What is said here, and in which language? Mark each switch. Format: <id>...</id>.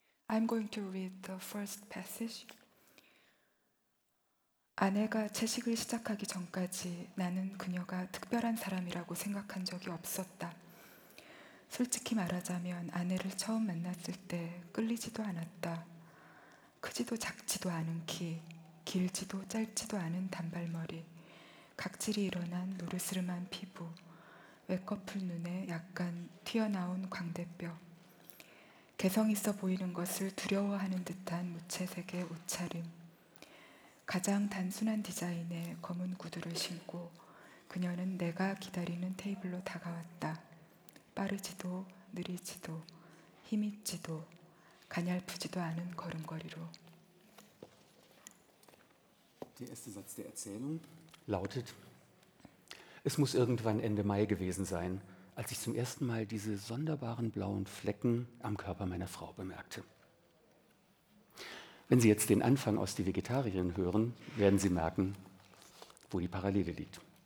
<en>I'm going to read the first passage.</en> <ko>아내가 채식을 시작하기 전까지 나는 그녀가 특별한 사람이라고 생각한 적이 없었다. 솔직히 말하자면 아내를 처음 만났을 때 끌리지도 않았다. 크지도 작지도 않은 키, 길지도 짧지도 않은 단발머리, 각질이 일어난 노르스름한 피부, 외꺼풀 눈에 약간 튀어나온 광대뼈, 개성 있어 보이는 것을 두려워하는 듯한 무채색의 옷차림, 가장 단순한 디자인의 검은 구두를 신고 그녀는 내가 기다리는 테이블로 다가왔다. 빠르지도 느리지도 힘있지도 가냘프지도 않은 걸음걸이로.</ko> <de>Der erste Satz der Erzählung lautet, es muss irgendwann Ende Mai gewesen sein, als ich zum ersten Mal diese sonderbaren blauen Flecken am Körper meiner Frau bemerkte. Wenn Sie jetzt den Anfang aus Die Vegetarierin hören, werden Sie merken, wo die Parallele liegt.</de>